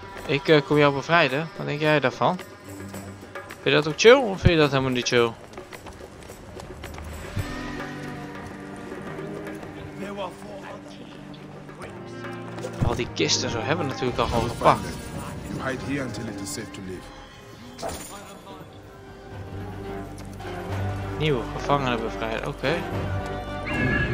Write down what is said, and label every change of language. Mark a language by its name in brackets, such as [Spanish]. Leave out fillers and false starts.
[Dutch] Ik kom jou bevrijden. Wat denk jij daarvan? Vind je dat ook chill of vind je dat helemaal niet chill? Al die kisten zo hebben we natuurlijk al gewoon gepakt. [English] You hide here until it is safe to leave. [Dutch] Nieuwe gevangenen bevrijden, oké. Okay.